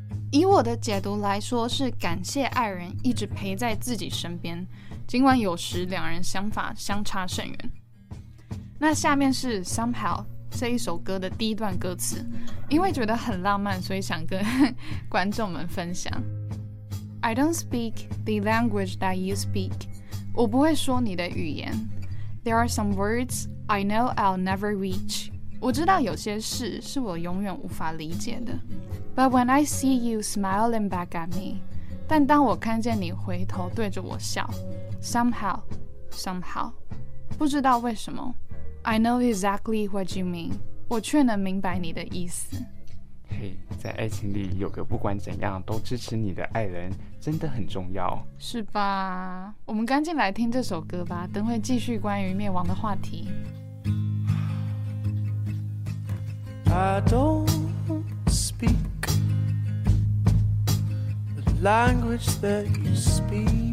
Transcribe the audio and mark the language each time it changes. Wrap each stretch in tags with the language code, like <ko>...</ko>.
<zh>以我的解读来说，是感谢爱人一直陪在自己身边，尽管有时两人想法相差甚远。那下面是 Somehow 这一首歌的第一段歌词，因为觉得很浪漫，所以想跟观众们分享。</zh> <en>I don't speak the language that you speak，</en> <zh>我不会说你的语言。</zh> <en>There are some words I know I'll never reach。</en> <zh>我知道有些事是我永远无法理解的。</zh> <en>But when I see you smiling back at me，</en> <zh>但当我看见你回头对着我笑。</zh> <en>Somehow， somehow，</en> <zh>不知道为什么。</zh> <en>I know exactly what you mean，</en> <zh>我却能明白你的意思。嘿，在爱情里有个不管怎样都支持你的爱人真的很重要，是吧？我们赶紧来听这首歌吧，等会继续关于灭亡的话题。</zh> <en>I don't speak the language that you speak.</en>